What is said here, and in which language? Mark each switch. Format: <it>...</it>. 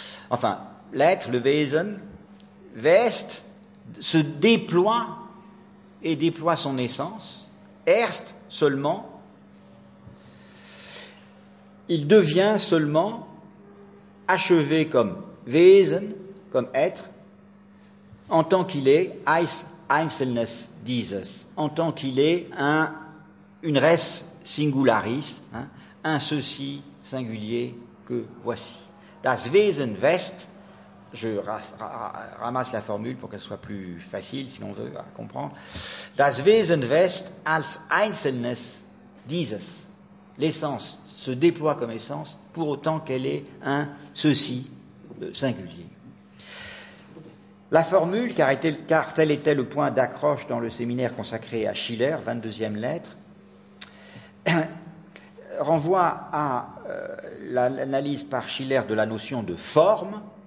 <fr>Enfin, l'être, le Wesen, West se déploie et déploie son essence, erst seulement, il devient seulement achevé comme Wesen, comme être, en tant qu'il est,</fr> <de>als Einzelnes dieses,</de> <fr>en tant qu'il est un une res singularis, hein, un ceci singulier que voici.</fr> <de>Das Wesen West,</de> <fr>je ramasse la formule pour qu'elle soit plus facile, si l'on veut, à comprendre.</fr> <de>Das Wesen West als Einzelnes, dieses.</de> <fr>L'essence se déploie comme essence, pour autant qu'elle est un ceci singulier. La formule, car tel était le point d'accroche dans le séminaire consacré à Schiller, 22e lettre, renvoie à l'analyse par Schiller de la notion de forme.</fr>